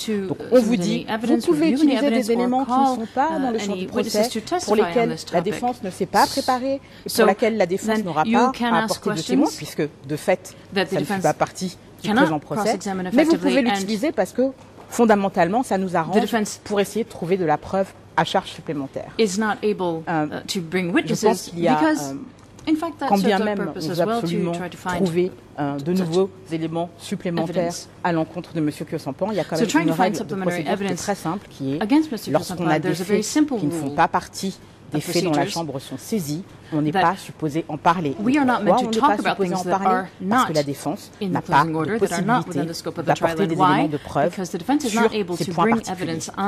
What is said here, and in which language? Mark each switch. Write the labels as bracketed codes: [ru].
[fr] Donc on vous dit, vous pouvez utiliser des éléments qui ne sont pas dans le champ du procès, pour lesquels la défense ne s'est pas préparée, pour laquelle la défense n'aura pas à apporter de témoins, puisque de fait, ça ne fait pas partie du présent procès, mais vous pouvez l'utiliser parce que fondamentalement, ça nous arrange pour essayer de trouver de la preuve à charge supplémentaire. [en] Is not able to bring witnesses because in fact that's [fr] quand bien même on veut absolument trouver de nouveaux éléments supplémentaires à l'encontre de monsieur Kyosampan, il y a quand même une règle de procédure très simple qui est lorsqu'on a des faits qui ne font pas partie des faits dont la chambre sont saisies, on n'est pas supposé en parler. Pourquoi on n'est pas supposé en parler? Parce que la défense n'a pas de possibilité d'apporter des éléments de preuve sur ces points particuliers.